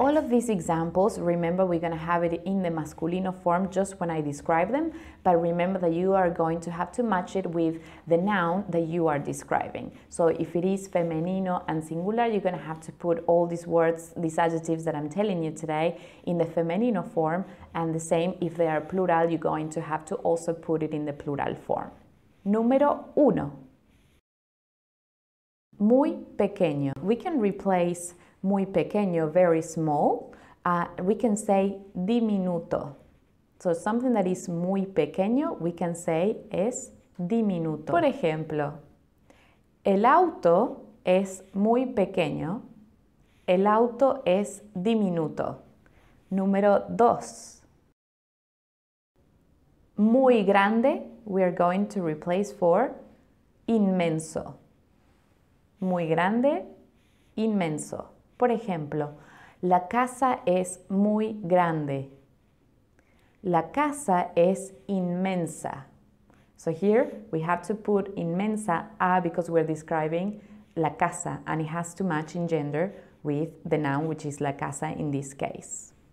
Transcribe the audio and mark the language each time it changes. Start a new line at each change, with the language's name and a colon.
English: All of these examples, remember, we're going to have it in the masculino form just when I describe them, but remember that you are going to have to match it with the noun that you are describing. So if it is femenino and singular, you're going to have to put all these words, these adjectives that I'm telling you today, in the femenino form, and the same if they are plural, you're going to have to also put it in the plural form.
Spanish: Número uno. Muy pequeño.
English: We can replace
Spanish: muy pequeño,
English: very small. We can say diminuto. So something that is
Spanish: muy pequeño,
English: we can say
Spanish: es diminuto. Por ejemplo, el auto es muy pequeño. El auto es diminuto. Número dos. Muy grande,
English: we are going to replace for inmenso.
Spanish: Muy grande, inmenso. Por ejemplo, la casa es muy grande. La casa es inmensa.
English: So here we have to put inmensa because we're describing la casa and it has to match in gender with the noun, which is la casa in this case.